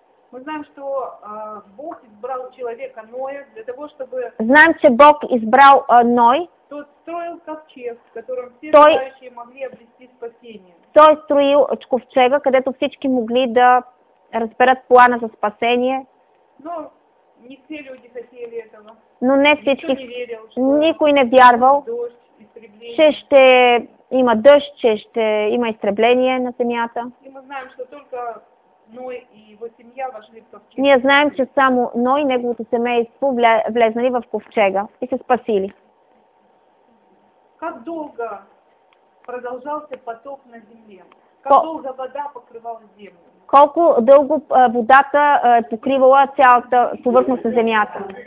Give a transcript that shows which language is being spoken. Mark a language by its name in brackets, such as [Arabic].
[Russian] Мы знаем, что Бог избрал человека Ноя для того, чтобы... [Bulgarian] Знаем, че Бог избрал Ной. [Russian] Тот строил ковчег, в котором все желающие могли обрести спасение. [Bulgarian] Той строил ковчега, където всички могли да разберат плана за спасение. [Russian] Но не все люди хотели этого. [Bulgarian] Но не всички. [Russian] Никто не верил, [Bulgarian] никой не вярвал, че ще има дъжд, че ще има изтребление на земята. [Russian] И мы знаем, что только Ной и его семья вошли в ковчег. [Bulgarian] Ние знаем, че само Ной и неговото семейство влезнали в ковчега и се спасили. [Russian] Как долго продължался поток на земле? Как долго вода покрывала землю? [Bulgarian] Колко дълго водата е покривала цялата повърхност на земята?